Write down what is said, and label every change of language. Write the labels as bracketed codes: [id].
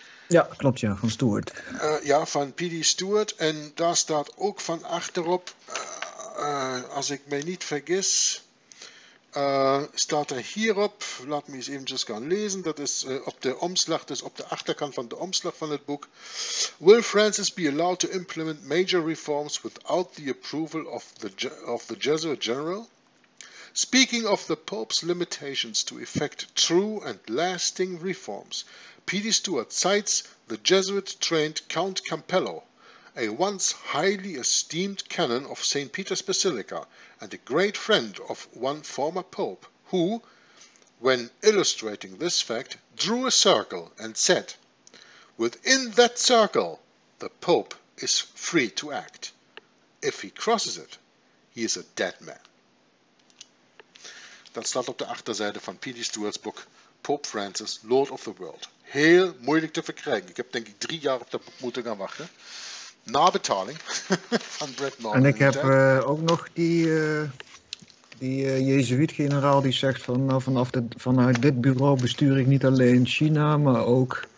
[nl] Ja, klopt ja. Van Stuart. Ja, van P.D. Stuart. En daar staat ook van achterop. Als ik mij niet vergis. Staat er hierop, laat me eens eventjes gaan lezen, dat is op de achterkant van de omslag van het boek. [en] Will Francis be allowed to implement major reforms without the approval of the Jesuit general? Speaking of the Pope's limitations to effect true and lasting reforms, P.D. Stuart cites the Jesuit-trained Count Campello, a once highly esteemed canon of St. Peter's Basilica and a great friend of one former pope, who, when illustrating this fact, drew a circle and said, within that circle, the pope is free to act. If he crosses it, he is a dead man. [nl] Dat staat op de achterzijde van P.D. Stuart's boek, Pope Francis, Lord of the World. Heel moeilijk te verkrijgen. Ik heb denk ik 3 jaar op dat boek moeten gaan wachten. Nabetaling van Brett Norman. En ik heb ook nog die Jezuïet-generaal die zegt van nou, vanuit dit bureau bestuur ik niet alleen China, maar ook.